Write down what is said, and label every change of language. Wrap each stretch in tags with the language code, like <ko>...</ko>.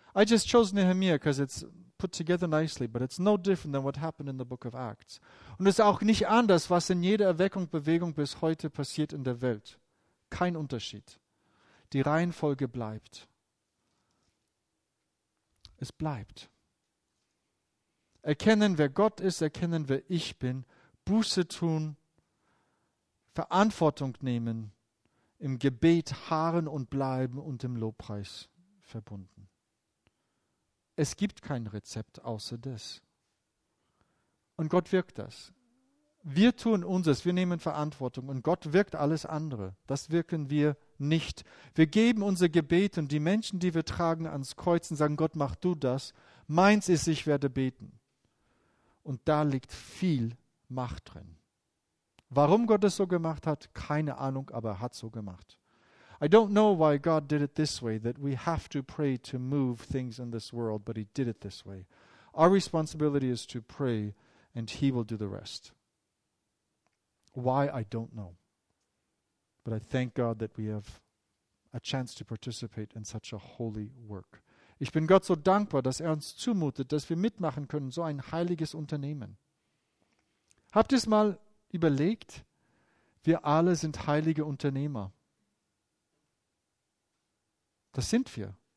<en>I just chose Nehemiah because it's put together nicely, but it's no different than what happened in the book of Acts.</en> <de>Und es ist auch nicht anders, was in jeder Erweckungsbewegung bis heute passiert in der Welt. Kein Unterschied. Die Reihenfolge bleibt. Es bleibt. Erkennen, wer Gott ist, erkennen, wer ich bin, Buße tun, Verantwortung nehmen, im Gebet harren und bleiben und im Lobpreis verbunden. Es gibt kein Rezept außer das. Und Gott wirkt das. Wir tun unseres, wir nehmen Verantwortung und Gott wirkt alles andere. Das wirken wir nicht. Wir geben unser Gebet und die Menschen, die wir tragen ans Kreuz und sagen, Gott, mach du das. Meins ist, ich werde beten. Und da liegt viel Macht drin. Warum Gott es so gemacht hat, keine Ahnung, aber er hat so gemacht.</de> <en>I don't know why God did it this way, that we have to pray to move things in this world, but he did it this way. Our responsibility is to pray and he will do the rest. Why, I don't know. But I thank God that we have a chance to participate in such a holy work.</en> <de>Ich bin Gott so dankbar, dass er uns zumutet, dass wir mitmachen können, so ein heiliges Unternehmen. Habt ihr es mal überlegt, wir alle sind heilige Unternehmer. Das sind wir.</de>